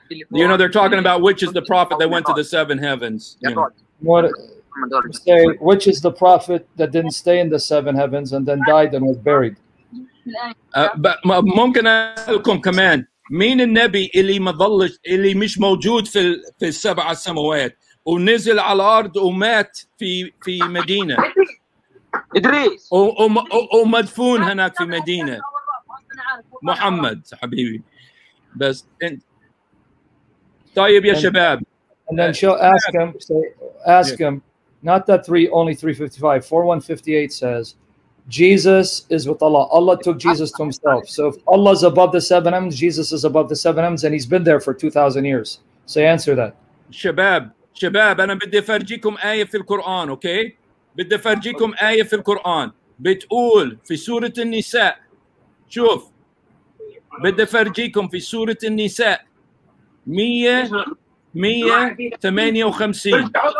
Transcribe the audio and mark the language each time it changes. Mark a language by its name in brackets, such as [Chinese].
[English] You know, they're talking about which is the prophet that went to the seven heavens. Yeah. What, say, which is the prophet that didn't stay in the seven heavens and then died and was buried? [Arabic] But ممكن أسألكم كمان مين النبي اللي ما ظلش اللي مش موجود في السبع السماوات ونزل على الأرض ومات في مدينة إدريس ومدفون هناك في مدينة محمد حبيبي بس طيب يا شباب [English] and then she'll ask him say ask him not that three only 355 4158 says Jesus is with Allah Allah took Jesus to himself so if Allah is above the seven heavens Jesus is above the seven heavens and he's been there for 2000 years so answer that [Arabic] شباب انا بدي افرجيكم ايه في القران اوكي بدي افرجيكم ايه في القران بتقول في سوره النساء شوف بدي فرجيكم في سورة النساء 158